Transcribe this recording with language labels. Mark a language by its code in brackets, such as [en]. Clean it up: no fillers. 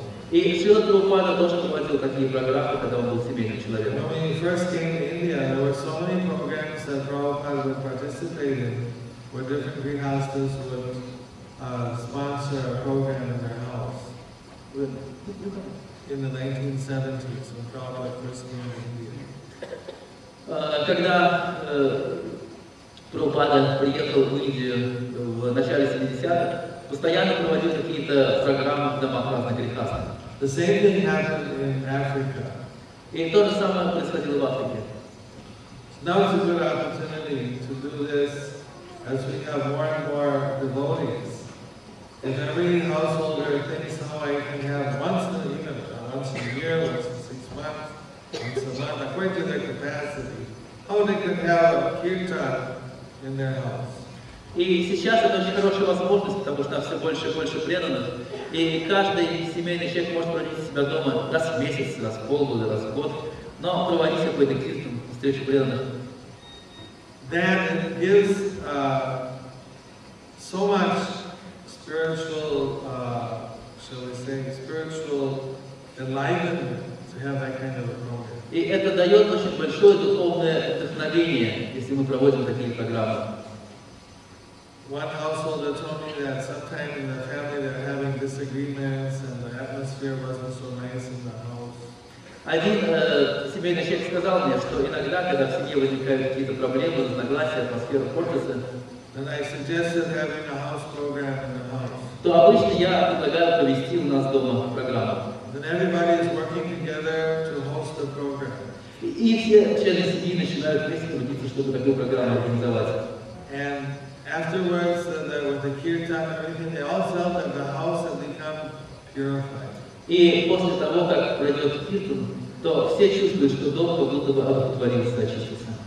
[ru] И Шрила Прабхупада тоже проводил такие программы, когда он был семейным человеком. [en] When he first came to India, there were so many programs that Prabhupada would participate in, where different grihasthas would sponsor a program in their house. In the 1970s, when Prabhupada first came to India. [ru] Когда Прабхупада приехал в Индию в начале 70-х, постоянно проводил какие-то программы в домах разных грихастов. [en] The same thing happened in Africa. [ru] И то же самое происходило в Африке. [en] Now is a good opportunity to do this as we have more and more devotees. If every householder thinks how I can have once in a year, once in a year, once in 6 months, once a month, according to their capacity, how they can have kirtan in their house. [ru] И сейчас это очень хорошая возможность, потому что все больше и больше преданных. И каждый семейный человек может проводить себя дома раз в месяц, раз в полгода, раз в год, но проводить какой-то кирт, встречу преданных. [en] that gives so much spiritual, shall we say, spiritual enlightenment to have that kind of a program. [ru] И это дает очень большое духовное вдохновение, если мы проводим такие программы. [en] One household told me that sometimes in the family they're having disagreements and the atmosphere wasn't so nice in the house. [ru] Один семейный человек сказал мне, что иногда, когда в семье возникают какие-то проблемы, разногласия, атмосфера портится. [en] And I suggested having a house program in the house. [ru] То обычно я предлагаю провести у нас дома программу. [en] Then everybody is working together to host the program. [ru] И все члены семьи начинают вместе трудиться, чтобы такую программу организовать. [en] And afterwards, there was the kirtan and everything, they all felt that the house had become purified. [ru] И после того, как пройдет киртан, то все чувствуют, что дом как будто бы оплодотворился, очистился.